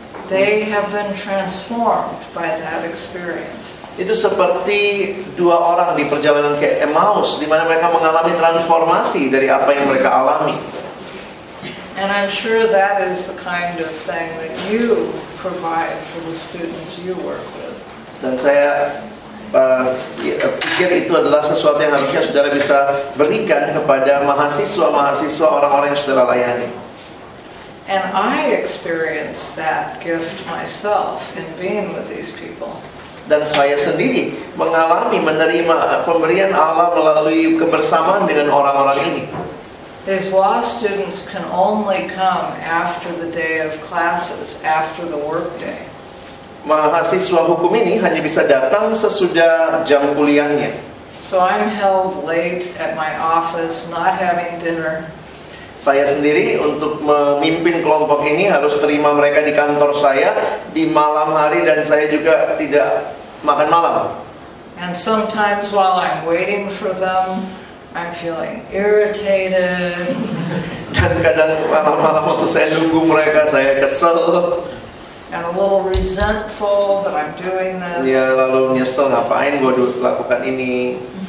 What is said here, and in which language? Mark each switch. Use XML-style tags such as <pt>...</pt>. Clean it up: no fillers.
<en>They have been transformed by that experience.</en> <id>Itu seperti dua orang di perjalanan ke Emmaus, di mana mereka mengalami transformasi dari apa yang mereka alami.</id> <en>And I'm sure that is the kind of thing that you provide for the students you work with.</en> <id>Dan saya pikir itu adalah sesuatu yang harusnya saudara bisa berikan kepada mahasiswa-mahasiswa, orang-orang yang saudara layani.</id> <en>And I experienced that gift myself in being with these people.</en> <id>Dan saya sendiri mengalami menerima pemberian Allah melalui kebersamaan dengan orang-orang ini.</id> <en>These law students can only come after the day of classes, after the work day.</en> <id>Mahasiswa hukum ini hanya bisa datang sesudah jam kuliahnya.</id> <en>So I'm held late at my office, not having dinner.</en> <id>Saya sendiri untuk memimpin kelompok ini harus terima mereka di kantor saya di malam hari, dan saya juga tidak makan malam.</id> <en>And sometimes while I'm waiting for them, I'm feeling irritated.</en> <id>Dan kadang malam-malam waktu saya nunggu mereka, saya kesel.</id> <en>And a little resentful that I'm doing this.</en> <id>Ya, lalu nyesel, ngapain gua lakukan ini.</id>